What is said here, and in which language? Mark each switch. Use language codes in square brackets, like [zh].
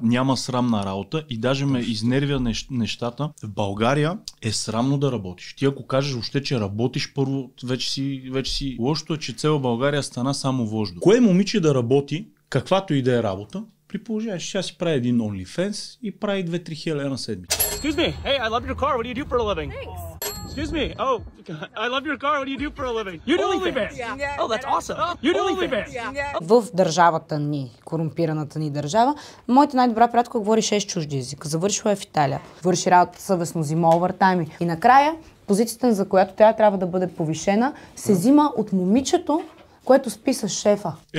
[bg] Няма срамна работа и даже ме изнервя нещата. В България е срамно да работиш. Ти ако кажеш още, че работиш първо, вече си. Лошото е, че цяла България стана само вождо. Кое момиче да работи, каквато и да е работа, при положение, че сега си прави един OnlyFans и прави 2-3 хиляди на седмица. [en] Excuse me, hey, I love your car, what do you do for a living? Thanks. Excuse me, oh, I love your car, what do you do for a living? You do OnlyFans. Yeah. Yeah. Oh, that's awesome. You do OnlyFans. Yeah. [bg] В държавата ни, корумпираната ни държава, моята най-добра приятелка говори 6 чужди езика. Завършва е в Италия. Върши работа съвестно, зима овъртайми. И накрая, позицията, за която тя трябва да бъде повишена, се взима от момичето, което спи с шефа.